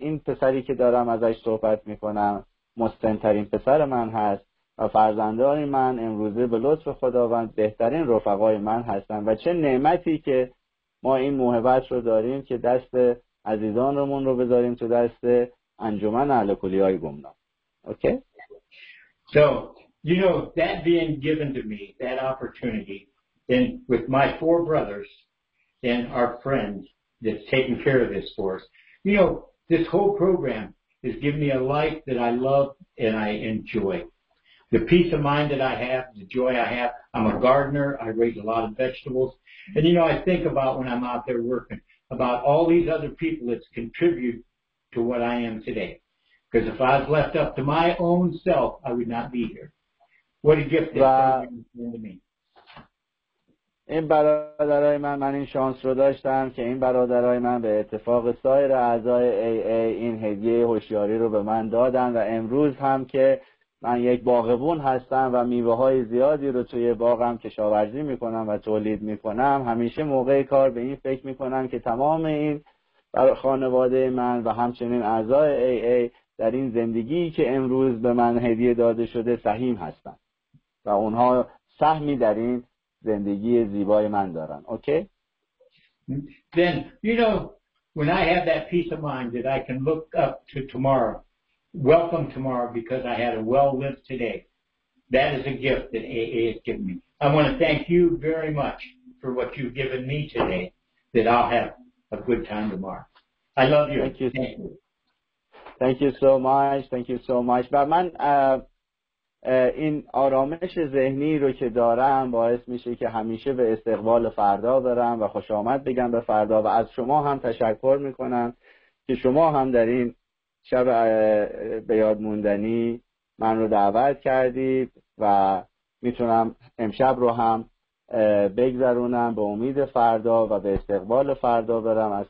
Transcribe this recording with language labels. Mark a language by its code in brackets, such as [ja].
[fa] این پسری که دارم ازش صحبت میکنم مستنترین پسر من هست و فرزندان من امروزه به لطف خداوند بهترین رفقای من هستن و چه نعمتی که ما این موهبت رو داریم که دست عزیزانمون رو بذاریم تو دست انجمن اهل کلیه‌های گمنام. [en] Okay? So, you know, that being given to me, that opportunity, then with my four brothers and our friends that's taking care of this for us. You know, this whole program has given me a life that I love and I enjoy. The peace of mind that I have, the joy I have. I'm a gardener. I raise a lot of vegetables. And, you know, I think about when I'm out there working, about all these other people that's contributed to what I am today. Because if I was left up to my own self, I would not be here. What a gift that program has given to me. [fa] این برادرای من این شانس رو داشتم که این برادرای من به اتفاق سایر اعضای AA این هدیه هوشیاری رو به من دادن و امروز هم که من یک باغبون هستم و میوه های زیادی رو توی باغم کشاورزی میکنم و تولید میکنم، همیشه موقع کار به این فکر میکنم که تمام این خانواده من و همچنین اعضای AA در این زندگی که امروز به من هدیه داده شده سهیم هستن و اونها سهمی در این زندگی زیبای من دارن. [en] Okay? Then, you know, when I have that peace of mind that I can look up to tomorrow, welcome tomorrow because I had a well-lived today, that is a gift that AA has given me. I want to thank you very much for what you've given me today that I'll have a good time tomorrow. I love you. Thank you. Thank you so much. But man, [fa] این آرامش ذهنی رو که دارم باعث میشه که همیشه به استقبال فردا برم و خوش آمد بگم به فردا و از شما هم تشکر میکنم که شما هم در این شب به یاد موندنی من رو دعوت کردید و میتونم امشب رو هم بگذرونم به امید فردا و به استقبال فردا برم.